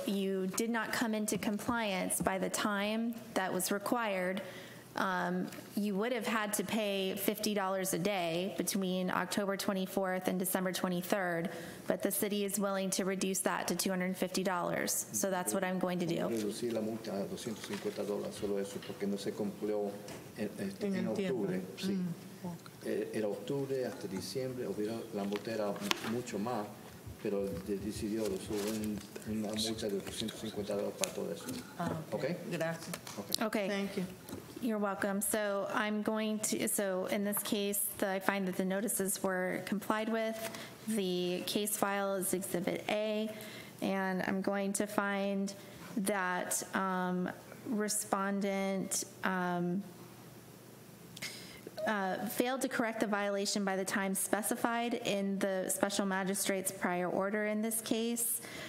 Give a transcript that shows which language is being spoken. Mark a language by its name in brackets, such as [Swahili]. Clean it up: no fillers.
[English] You did not come into compliance by the time that was required You would have had to pay $50 a day between October 24th and December 23rd, but the city is willing to reduce that to $250. So that's what I'm going to do. [Spanish] Reducir la multa a $250, solo eso, porque no se cumplió en octubre. Sí. Era octubre hasta diciembre, hubiera la multa era mucho más, pero decidió subir una multa de $250 para todo eso. [English] Okay. [Spanish] Gracias. [English] Okay. Thank you. You're welcome. So I'm going to, so in this case, I find that the notices were complied with. The case file is Exhibit A, and I'm going to find that respondent failed to correct the violation by the time specified in the special magistrate's prior order in this case.